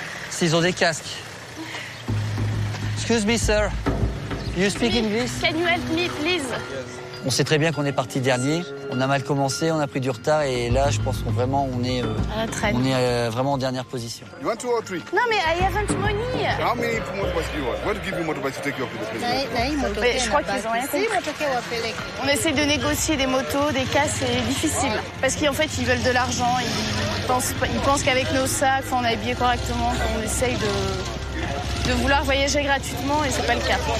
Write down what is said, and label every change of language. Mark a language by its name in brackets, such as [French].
[French] S'ils ont des casques. [English] Excuse me, sir. You speak English? Can you help me, please? [French] On sait très bien qu'on est parti dernier. On a mal commencé, on a pris du retard et là, je pense qu'on vraiment, on est vraiment en dernière position. [English] You want two or three? [French] Non, mais [English] I haven't money. How many motorbikes do you want? What give you motorbikes to take you off the place? [French] Mais je crois qu'ils ont rien compris. On essaie de négocier des motos, des casques, c'est difficile. Parce qu'en fait, ils veulent de l'argent. Ils pensent qu'avec nos sacs, on est habillé correctement, on essaye de vouloir voyager gratuitement et c'est pas le cas.